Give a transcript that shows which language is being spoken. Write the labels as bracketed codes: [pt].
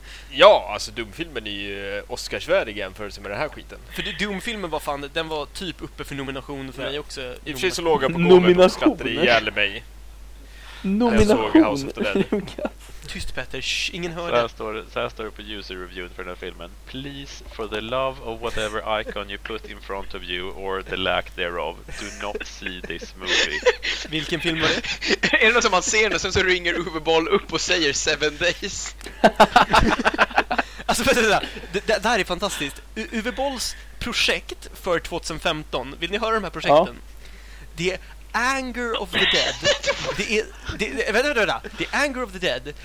[sv] Ja, alltså Doom-filmen är ju Oscarsvärdig jämförelse med den här skiten. För Doom-filmen var fan, den var typ uppe för nomination för mig också. I och för sig så låg jag på golvet och skrattade ihjäl mig. Nomination. Tyst Peter, ingen hör det. Så här står det på user reviewen för den här filmen. [en] Please, for the love of whatever icon you put in front of you or the lack thereof, do not see this movie. [sv] Vilken film var det? Är det något som man ser och sen så ringer Uwe Boll upp och säger 7 days? Alltså, det här är fantastiskt. Uwe Bolls projekt för 2015, vill ni höra de här projekten? Ja. Det Anger of the Dead. The Anger of the Dead.